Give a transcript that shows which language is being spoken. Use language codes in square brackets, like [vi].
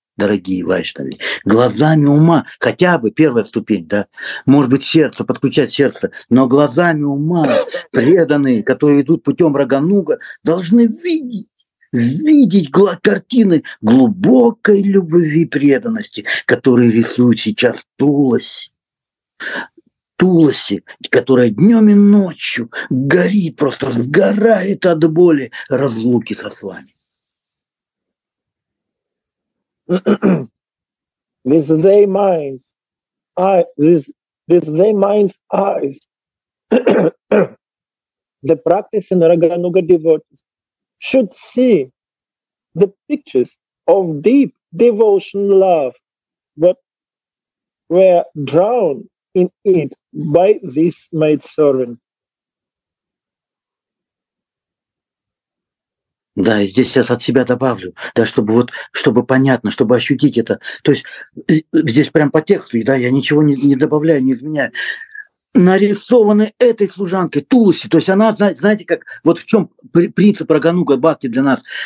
[ru] дорогие вайшнавы, глазами ума, хотя бы первая ступень, да, может быть, сердце, подключать сердце, но глазами ума преданные, которые идут путем Рагануга, должны видеть картины глубокой любви и преданности, которые рисуют сейчас Туласи, которая днем и ночью горит, просто сгорает от боли разлуки со вами. [en] With their minds eyes, the practicing Rāgha-nuga devotees should see the pictures of deep devotion love, but were drowned in it by this maidservant. [ru] Да, и здесь сейчас от себя добавлю, да, чтобы понятно, чтобы ощутить это. То есть здесь прям по тексту, да, я ничего не добавляю, не изменяю. Нарисованы этой служанкой Туласи, то есть она, знаете, как вот в чем принцип Рагануга Бхакти для нас.